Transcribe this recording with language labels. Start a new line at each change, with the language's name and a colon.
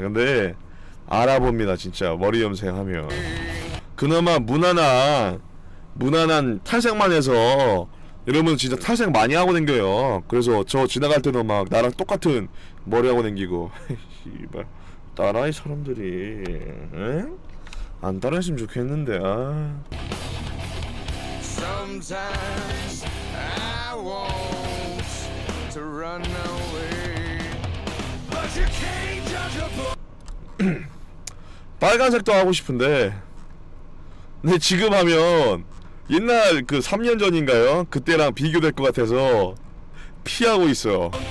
Korean: 근데 알아봅니다 진짜. 머리 염색하면 그나마 무난한 탈색만 해서 여러분 진짜 탈색 많이 하고 댕겨요. 그래서 저 지나갈 때도 막 나랑 똑같은 머리하고 댕기고 따라해 사람들이 응? 안 따라했으면 좋겠는데.
English: 아 Sometimes I want to run away but you can't judge a book.
Korean: 빨간색도 하고 싶은데 근데 지금 하면 옛날 그 3년 전인가요? 그때랑 비교될 것 같아서 피하고 있어요.